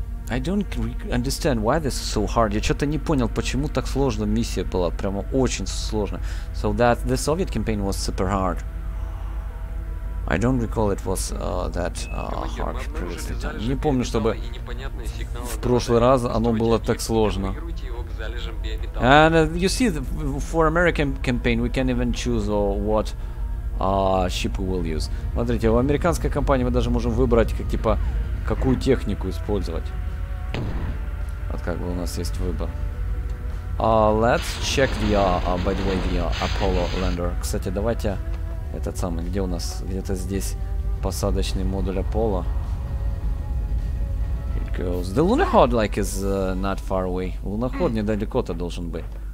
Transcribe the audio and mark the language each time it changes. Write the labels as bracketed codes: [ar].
[en] I don't understand why this is so hard. [ru] Я что-то не понял, почему так сложно миссия была. Прямо очень сложно. [en] So that the Soviet campaign was super hard. I don't recall it was that hard previously. [ru] Не помню, чтобы в прошлый раз оно было так сложно. [en] And you see, for American campaign, we can even choose what ship we will use. [ru] Смотрите, в американской кампании мы даже можем выбрать, как, типа, какую технику использовать. Вот как бы у нас есть выбор. [en] Let's check the, by the way, the Apollo lander. [ru] Кстати, давайте этот самый, где у нас, где-то здесь посадочный модуль Apollo. [en] It goes. The lunokhod, like, is not far away. [ru] Луноход недалеко-то должен быть.